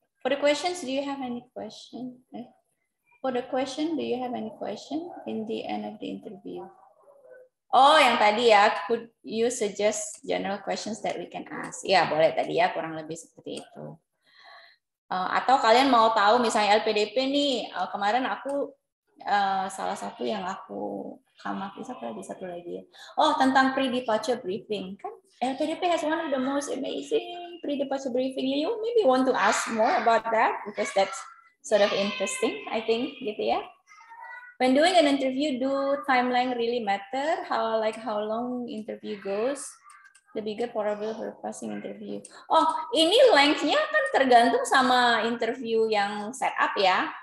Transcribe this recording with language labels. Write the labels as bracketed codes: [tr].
[en] For the questions, do you have any question? For the question, do you have any question in the end of the interview? [id] Oh, yang tadi ya, [en] could you suggest general questions that we can ask? [id] Ya, boleh tadi ya, kurang lebih seperti itu. Atau kalian mau tahu misalnya LPDP nih, kemarin aku salah satu yang aku kamati, satu lagi ya. Oh, tentang pre-departure briefing. Kan [en] LPDP has one of the most amazing pre-departure briefing. You maybe want to ask more about that, because that's sort of interesting, I think, [id] gitu ya. [en] When doing an interview, do timeline really matter? How long interview goes? The bigger probability for passing interview. [id] Oh, ini length-nya kan tergantung sama interview yang set up ya.